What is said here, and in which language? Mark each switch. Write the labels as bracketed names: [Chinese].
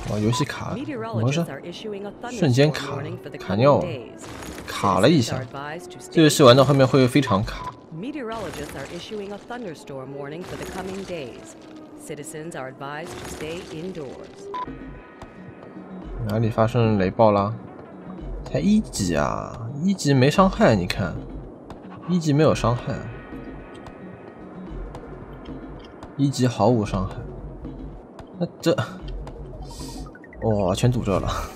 [Chinese] 哇，游戏卡了，怎么回事？瞬间卡了，卡尿了，卡了一下。这游戏玩到后面会非常卡。 [English] Meteorologists are issuing a thunderstorm warning for the coming days. Citizens are advised to stay indoors. [Chinese] 哪里发生雷暴了？才一级啊，一级没伤害，你看，一级没有伤害，一级毫无伤害。那这，哇，全堵着了。